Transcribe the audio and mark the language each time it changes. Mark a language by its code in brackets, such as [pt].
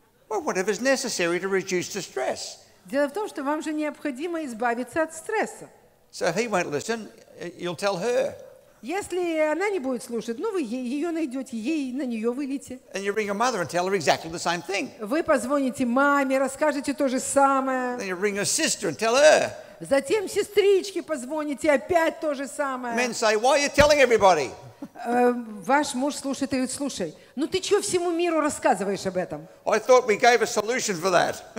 [en] Well, whatever is necessary to reduce the stress. [ru] Дело в том, что вам же необходимо избавиться от стресса. [en] So if he won't listen, you'll tell her. [ru] Если она не будет слушать, ну вы ее найдете, ей на нее вылите. [en] And you ring your mother and tell her exactly the same thing. [ru] Вы позвоните маме, расскажете то же самое. [en] Then you ring your sister and tell her. [ru] Затем сестричке позвоните, опять то же самое. [en] Men say, why are you telling everybody? [ru] Ваш муж слушает и говорит, слушай, ну ты чего всему миру рассказываешь об этом? [en] I thought we gave a solution for that.